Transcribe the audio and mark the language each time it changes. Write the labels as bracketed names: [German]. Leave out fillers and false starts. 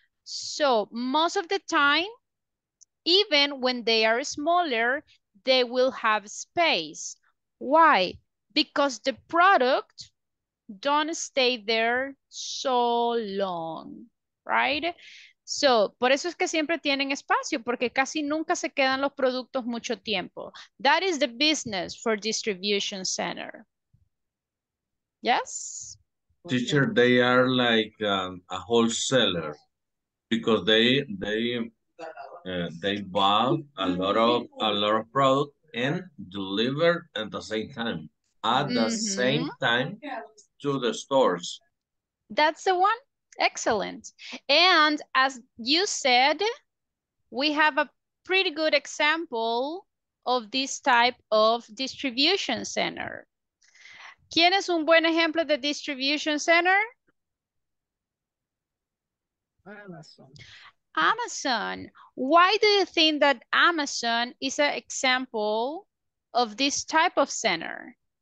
[English] So most of the time, even when they are smaller, they will have space. Why? Because the product don't stay there so long, right? [Spanish] So, por eso es que siempre tienen espacio, porque casi nunca se quedan los productos mucho tiempo. [English] That is the business for distribution center. Yes? Teacher, they are like a wholesaler because they buy a lot of product and deliver at the same time. At the same time to the stores. That's the one? Excellent. And as you said, we have a pretty good example of this type of distribution center. [Spanish] ¿Quién es un buen ejemplo de distribution center? [English] Amazon. Why do you think that Amazon is an example of this type of center?